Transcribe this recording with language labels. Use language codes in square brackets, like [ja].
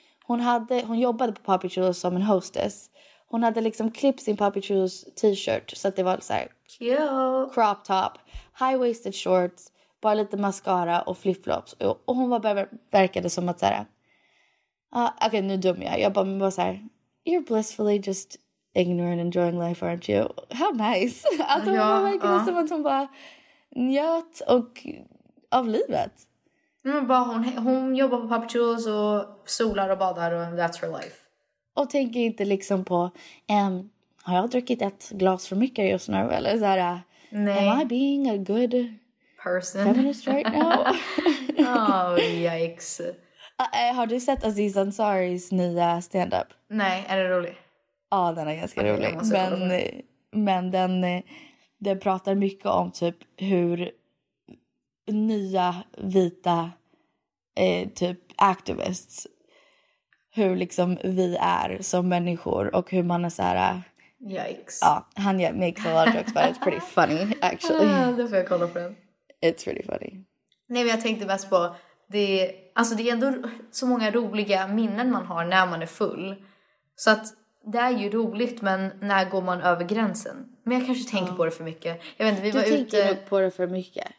[sv] Hon jobbade på Papi Chulos som en hostess. Hon hade liksom klippt sin Papi Chulos t-shirt så att det var så här [en] cute [sv] crop top, high-waisted shorts, bara lite mascara och flip-flops. Och hon bara verkade som att såhär, okej, nu dummer jag. Jag bara så här, [en] you're blissfully just ignorant and enjoying life, aren't you? How nice. [sv] Alltså hon bara verkade som att hon bara njöt av livet. Hon jobbar på Papi Chulos och solar och badar och [en] that's her life. [sv] Och tänker inte liksom på, har jag druckit ett glas för mycket just nu? Eller så här, [en] am I being a good person feminist right now? yikes. [sv] Har du sett Aziz Ansaris nya stand-up? Nej, är det rolig? Ja, den är ganska rolig. Men den pratar mycket om typ hur nya vita typ activists... Hur liksom vi är som människor. Och hur man är så här. [en] Yikes. [sv] Ja, han [en] makes a lot of jokes, but it's pretty funny, actually. [sv] Ja, det får jag kolla på den. [en] It's really funny. [sv] Nej, men jag tänkte mest på, det, alltså det är ändå så många roliga minnen man har när man är full. Så att det är ju roligt, men när går man över gränsen? Men jag kanske tänker på det för mycket. Jag vet inte, Du tänker nog på det för mycket.